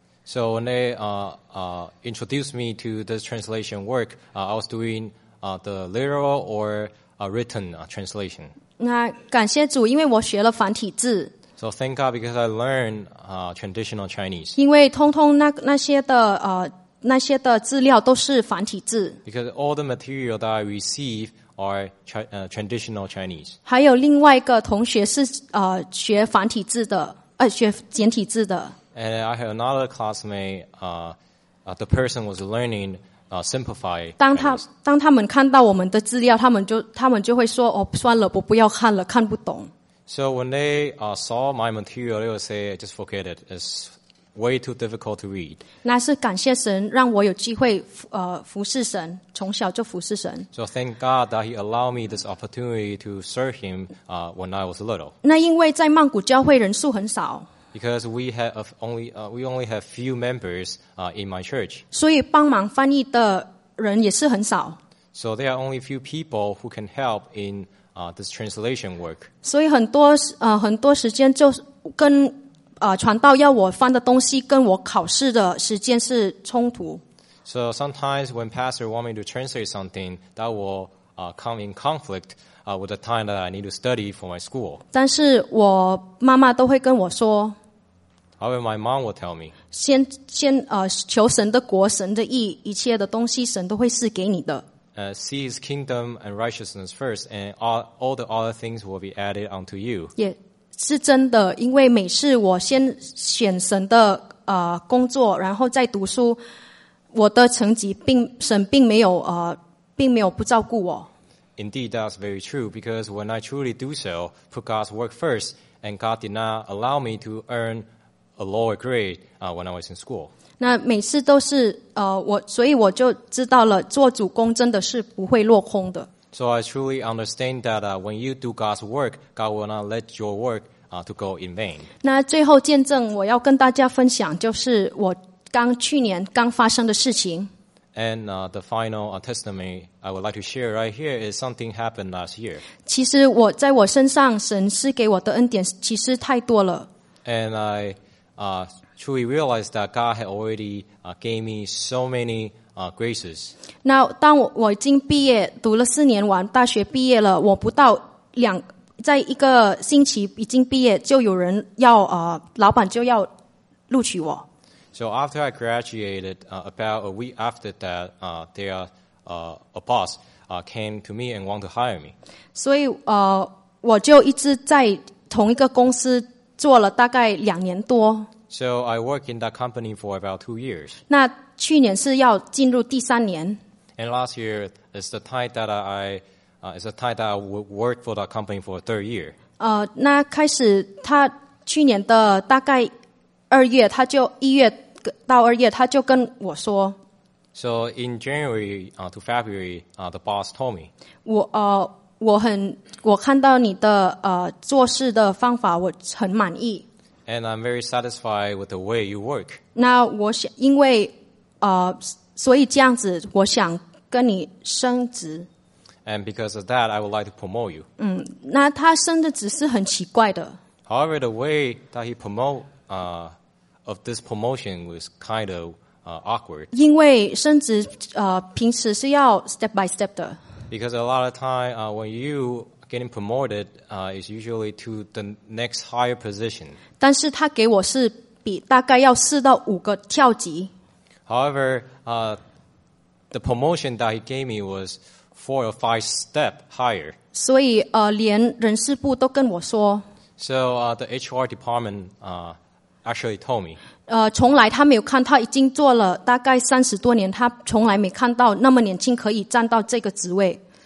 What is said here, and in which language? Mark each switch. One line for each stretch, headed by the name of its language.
English: So when they introduced me to this translation work, I was doing the literal or written translation.
Chinese: 那感谢主，因为我学了繁体字。
English: So thank God because I learned traditional Chinese.
Chinese: 因为通通那些的资料都是繁体字。
English: Because all the material that I receive are traditional Chinese.
Chinese: 还有另外一个同学是学繁体字的，学简体字的。
English: And I have another classmate. The person was learning simplified.
Chinese: 当他们看到我们的资料，他们就会说：“哦，算了，不要看了，看不懂。”
English: So when they saw my material, they would say, "Just forget it. It's way too difficult to read."
Chinese: 那是感谢神让我有机会服侍神，从小就服侍神。
English: So thank God that He allowed me this opportunity to serve Him when I was little.
Chinese: 那因为在曼谷教会人数很少。
English: Because we have only have few members in my church.
Chinese: 所以帮忙翻译的人也是很少。
English: So there are only few people who can help in this translation work.
Chinese: 所以很多时间就跟传道要我翻的东西跟我考试的时间是冲突。
English: So sometimes when pastor want me to translate something, that will come in conflict with the time that I need to study for my school.
Chinese: 但是我妈妈都会跟我说。
English: However, my mom will tell me.
Chinese: 先求神的国，神的义，一切的东西神都会赐给你的。
English: See His kingdom and righteousness first, and all the other things will be added unto you.
Chinese: 也是真的，因为每次我先选神的工作，然后再读书，我的成绩并没有不照顾我。
English: Indeed, that's very true. Because when I truly do so, put God's work first, and God did not allow me to earn a lower grade when I was in school.
Chinese: 那每次都是所以我就知道了，做主公真的是不会落空的。
English: So I truly understand that when you do God's work, God will not let your work to go in vain.
Chinese: 那最后见证我要跟大家分享，就是我刚去年刚发生的事情。
English: And the final testimony I would like to share right here is something happened last year.
Chinese: 其实我在我身上，神赐给我的恩典其实太多了。
English: And I truly realized that God had already gave me so many graces.
Chinese: 那当我已经毕业，读了四年完大学毕业了，我不到两，在一个星期已经毕业，就有人要老板就要录取我。
English: So after I graduated, about a week after that, there a boss came to me and wanted to hire me.
Chinese: 所以我就一直在同一个公司做了大概两年多。
English: So I worked in that company for about 2 years.
Chinese: 那去年是要进入第三年。
English: And last year is the time that I worked for that company for a third year.
Chinese: 那开始他去年的大概二月，他就一月到二月，他就跟我说。
English: So in January to February, the boss told me.
Chinese: 我看到你的做事的方法，我很满意。
English: And I'm very satisfied with the way you work.
Chinese: 那我想，因为所以这样子，我想跟你升职。
English: And because of that, I would like to promote you.
Chinese: 那他升的职是很奇怪的。
English: However, the way that he promote of this promotion was kind of awkward.
Chinese: 因为升职平时是要
English: step by step
Chinese: 的。
English: Because a lot of time when you getting promoted is usually to the next higher position.
Chinese: 但是他给我是比大概要四到五个跳级。
English: However, the promotion that he gave me was 4 or 5 step higher.
Chinese: 所以连人事部都跟我说。
English: So the HR department actually told me.
Chinese: 从来他没有看，他已经做了大概三十多年，他从来没看到那么年轻可以站到这个职位。